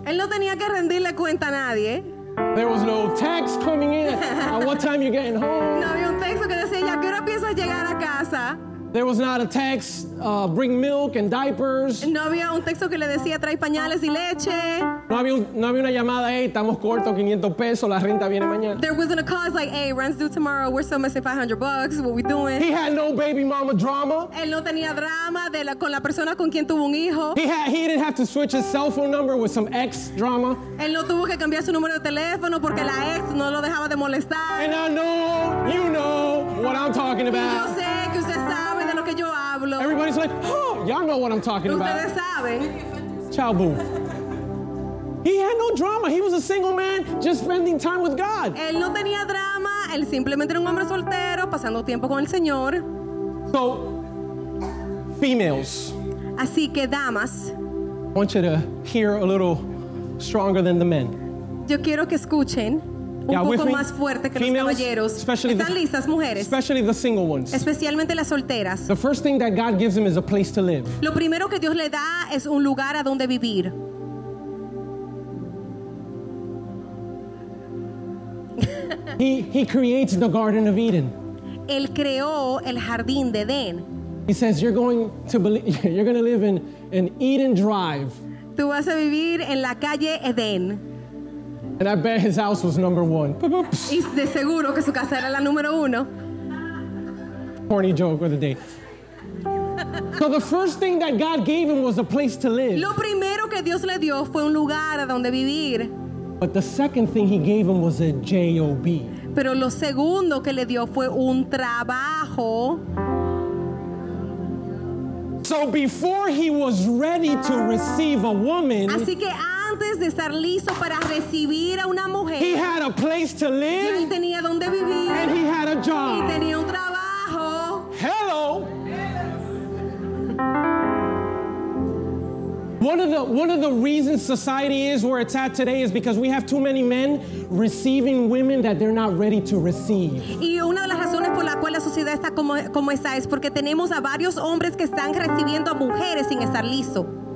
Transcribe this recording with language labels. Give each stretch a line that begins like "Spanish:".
Spanish: Él no tenía que rendirle cuenta a nadie.
English: There was no text coming in. At what time you getting home?
Spanish: No había un texto que decía ya qué hora piensas llegar a casa.
English: There was not a text bring milk and diapers.
Spanish: No había un texto que le decía trae pañales y leche. No había una llamada, hey, estamos cortos, 500 pesos, la renta viene mañana.
English: There wasn't a call like, hey, rent's due tomorrow, we're still missing $500, what we doing? He had no baby mama drama.
Spanish: Él no tenía drama con la persona con quien tuvo un hijo.
English: He didn't have to switch his cell phone number with some ex drama.
Spanish: Él no tuvo que cambiar su número de teléfono porque la ex no lo dejaba de molestar.
English: And I know you know what I'm talking about.
Spanish: Y yo sé que usted sabe de lo que yo hablo.
English: Everybody's like, oh, y'all know what I'm talking
Spanish: ustedes
English: about.
Spanish: Ustedes saben.
English: Chao, boo. He had no drama. He was a single man just spending time with God.
Spanish: Él no tenía drama. Él simplemente era un hombre soltero pasando tiempo con el Señor.
English: So, females.
Spanish: Así que damas.
English: I want you to hear a little stronger than the men.
Spanish: Yo quiero que escuchen un yeah, poco me, más fuerte que
English: females,
Spanish: los caballeros.
English: Especially
Spanish: están listas mujeres.
English: Especially the single ones.
Spanish: Especialmente las solteras.
English: The first thing that God gives them is a place to live.
Spanish: Lo primero que Dios le da es un lugar a donde vivir.
English: He creates the Garden of Eden.
Spanish: Él creó el jardín de Edén.
English: He says you're going to live in Eden Drive.
Spanish: Tú vas a vivir en la calle Edén.
English: And I bet his house was number one.
Spanish: Y de seguro que su casa era la número uno.
English: Corny joke of the day. So the first thing that God gave him was a place to live.
Spanish: Lo primero que Dios le dio fue un lugar a donde vivir.
English: But the second thing he gave him was a job.
Spanish: Pero lo segundo que le dio fue un trabajo.
English: So before he was ready to receive a woman,
Spanish: así que antes de estar listo para recibir a una mujer,
English: he had a place to live.
Spanish: Y él tenía donde vivir.
English: And he had a job.
Spanish: Y tenía un trabajo.
English: Hello. One of the reasons society is where it's at today is because we have too many men receiving women that they're not ready to receive.
Spanish: Y una de las razones por la cual la sociedad está como está es porque tenemos a varios hombres que están recibiendo a mujeres sin estar listo.